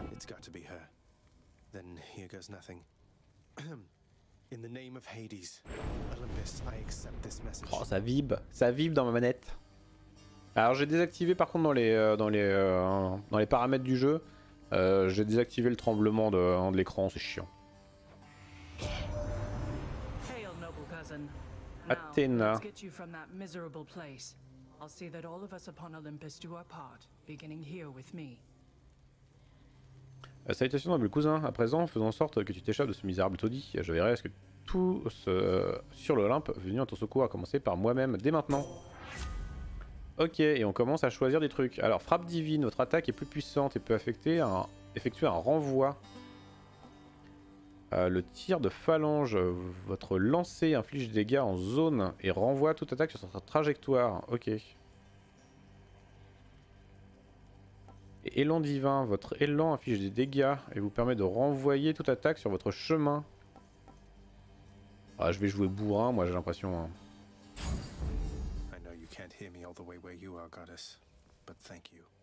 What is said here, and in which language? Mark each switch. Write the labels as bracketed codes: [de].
[en] it's got to be her. Then here goes nothing. In the name of Hades, Olympus, I accept this message. [fr] Oh, ça vibre dans ma manette. Alors j'ai désactivé par contre dans les paramètres du jeu j'ai désactivé le tremblement de l'écran, c'est chiant. [en] Hail, noble cousin. Now, Athena, let's get you from that miserable place. I'll see that all of us upon Olympus do our part, beginning here with me. [fr] Salutations, noble cousin. À présent, faisons en sorte que tu t'échappes de ce misérable taudis. Je verrai à ce que tous sur l'Olympe venus à ton secours, à commencer par moi-même dès maintenant. Ok, et on commence à choisir des trucs. Alors, frappe divine, votre attaque est plus puissante et peut effectuer un renvoi. Le tir de phalange, votre lancer inflige des dégâts en zone et renvoie toute attaque sur sa trajectoire. Ok. Et élan divin, votre élan inflige des dégâts et vous permet de renvoyer toute attaque sur votre chemin. Ah, je vais jouer bourrin, moi j'ai l'impression. Hein. [en] I know you can't hear me all the way where you are, goddess, but thank you.